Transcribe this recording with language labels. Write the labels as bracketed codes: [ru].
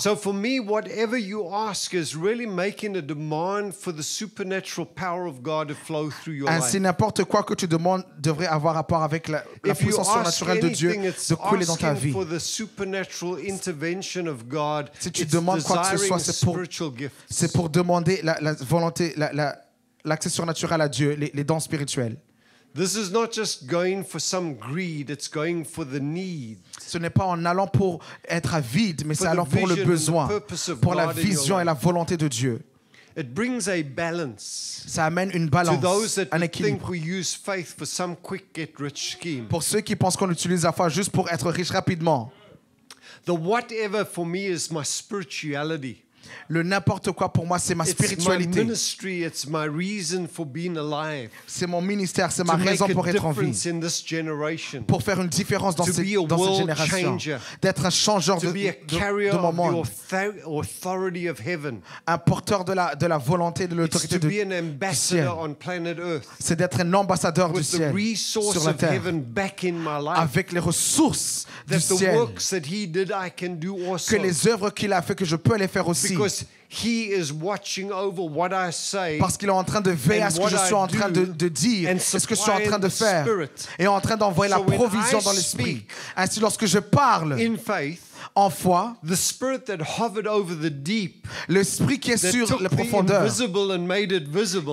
[en] So for me, whatever you ask is really making a demand for the supernatural power of God to flow through your [fr] ainsi, [en] life. [fr] Ainsi, n'importe quoi que tu demandes devrait avoir rapport avec la puissance surnaturelle de Dieu de couler dans ta vie. [en] If you ask for the supernatural intervention of God, [fr] si tu demandes quoi que ce soit, c'est pour demander la volonté, l'accès surnaturel à Dieu, les dons spirituels. [en] This is not just going for some greed, it's going for the need. [fr] Ce n'est pas en allant pour être avide, mais c'est allant pour le besoin, pour la vision et la volonté de Dieu. [en] It brings a balance. [fr] Ça amène une balance, [en] to those that [fr] un équilibre. [en] Think we use faith for some quick get rich scheme. [fr] Pour ceux qui pensent qu'on utilise la foi juste pour être riche rapidement. [en] The whatever for me is my spirituality. [fr] Le n'importe quoi pour moi, c'est ma spiritualité. [en] It's my ministry, it's my reason for being alive. [fr] C'est mon ministère, c'est ma raison pour être en vie. [en] In this generation. [fr] Pour faire une différence dans cette génération. D'être un changeur de mon monde. [en] Authority of heaven. [fr] Un porteur de la volonté, de l'autorité [en] it's to be an ambassador [fr] du ciel. [en] On planet Earth. [fr] C'est d'être un ambassadeur [en] with [fr] du ciel [en] the resources [fr] sur la terre. [en] Of heaven back in my life. [fr] Avec les ressources [en] that [fr] du [en] the [fr] ciel. [en] Works that he did, I can do also. [fr] Que les œuvres qu'il a fait, que je peux les faire aussi. [en] Because he is watching over what I say, [fr] parce qu'il est en train de veiller à ce que je suis en train de dire, ce que je suis en train de faire, et en train d'envoyer [en] so [fr] la provision dans l'esprit. Ainsi, lorsque je parle [en] in faith, [fr] en foi, [en] the spirit that hovered over the deep, [fr] l'esprit qui est sur la profondeur, [en] visible,